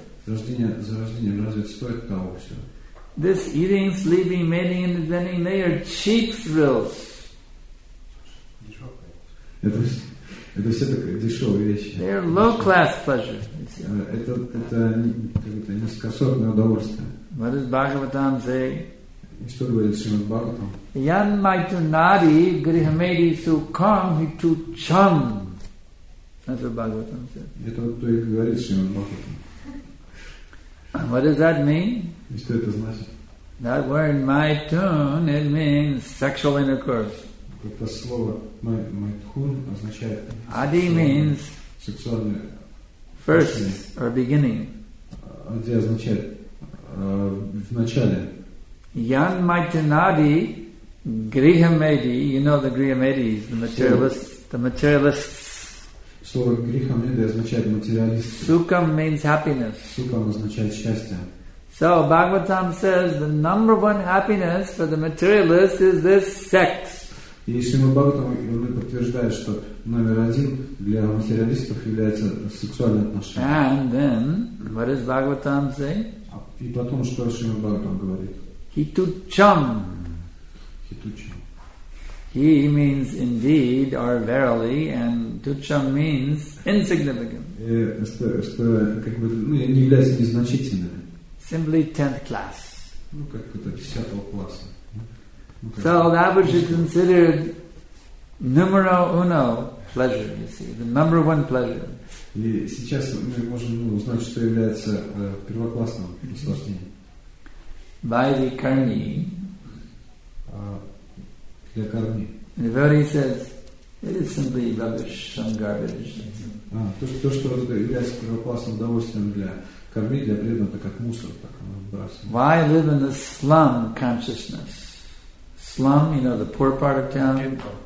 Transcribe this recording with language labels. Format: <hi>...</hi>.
<ru>Рождение за рождением, разве стоит того все?</ru> <en>This eating, sleeping, mating, and defending, they are cheap thrills.</en> <ru>Это все так дешевые вещи.</ru> <en>They are low class pleasures.</en> <ru>Это какое-то низкосортное удовольствие.</ru> <en>What does Bhagavatam say?</en> <ru>И что говорит Шримад Бхагаватам?</ru> <sa>Ян майтунади грихамеди сукам хиту чам.</sa> <en>That's what Bhagavatam said.</en> <ru>Это вот то и говорит Шримад Бхагаватам.</ru> <en>What does that mean?</en> <ru>И что это значит?</ru> <en>That word майтун, it means sexual intercourse.</en> <ru>Это слово майтхун означает</ru> <en>Ади means</en> <ru>сексуальное</ru> <en>first or beginning.</en> <ru>Ади означает в начале.</ru> <sa>Ян майтанади грихамеди,</sa> <en>you know the грихамедис, the materialists.</en> <ru>Слово грихамеди означает материалист.</ru> <en>Сукам means happiness.</en> <ru>Сукам означает счастье.</ru> <en>So Bhagavatam says the number one happiness for the materialist is this sex.</en> <ru>И Шримад Бхагаватам подтверждает, что номер один для материалистов является сексуальные отношения.</ru> <en>And then, what does Bhagavatam say?</en> <ru>И потом, что Шримад Бхагаватам говорит?</ru> <sa>Хитучам. Хитучам.</sa> <en>He means indeed or verily, and tucham means insignificant.</en> <ru>Что как бы не является незначительным.</ru> <en>Simply 10th class.</en> <ru>Ну, как это 10-го класса.</ru> <en>So that which is considered numero uno pleasure, you see, the number one pleasure.</en> <ru>И сейчас мы можем узнать, что является первоклассным наслаждением. Vaidhi Karni. Для Карни.</ru> <en>The devotee says, it is simply rubbish, some garbage.</en> <ru>То, что является первоклассным удовольствием для Карни, для преданного, это как мусор, так он выбрасывает.</ru> <en>Why live in the slum consciousness? Slum, you know, the poor part of town.</en>